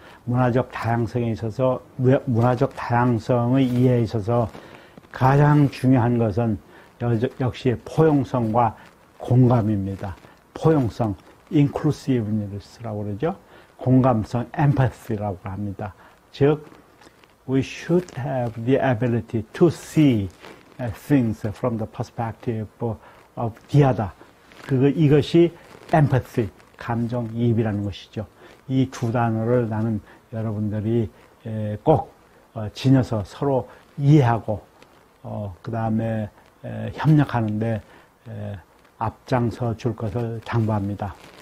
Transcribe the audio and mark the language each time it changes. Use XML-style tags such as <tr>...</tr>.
<ko>문화적 다양성에 있어서 문화적 다양성의 이해에 있어서 가장 중요한 것은 역시 포용성과 공감입니다. 포용성, inclusiveness라고 그러죠. 공감성, empathy라고 합니다.</ko> <en>즉, we should have the ability to see things from the perspective of the other.</en> <ko>이것이 empathy, 감정이입이라는 것이죠. 이 두 단어를 나는 여러분들이 꼭 지녀서 서로 이해하고 그 다음에 협력하는데 앞장서 줄 것을 당부합니다.</ko>